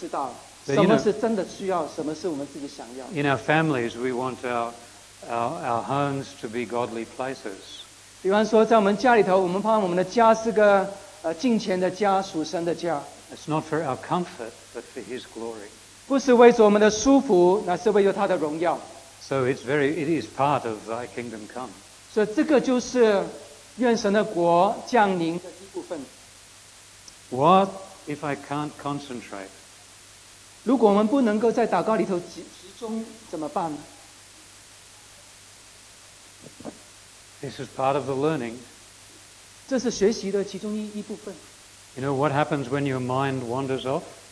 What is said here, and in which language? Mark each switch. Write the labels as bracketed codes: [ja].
[zh] 但是当我们在祷告的时候，这个过程，我们就会慢慢能够知道什么是真的需要，什么是我们自己想要的。 [en] In our families, we want our homes to be godly places. [zh] 比方说，在我们家里头，我们盼望我们的家是个敬虔的家，属神的家。 [en] It's not for our comfort, but for His glory. [zh] 不是为着我们的舒服，乃是为着他的荣耀。 [en] So it is part of Thy kingdom come. [zh] 所以这个就是愿神的国降临的一部分。 [en] What if I can't concentrate? [zh] 如果我们不能够在祷告里头集中，怎么办呢？ [en] This is part of the learning. [zh] 这是学习的其中一部分。 [en] You know what happens when your mind wanders off?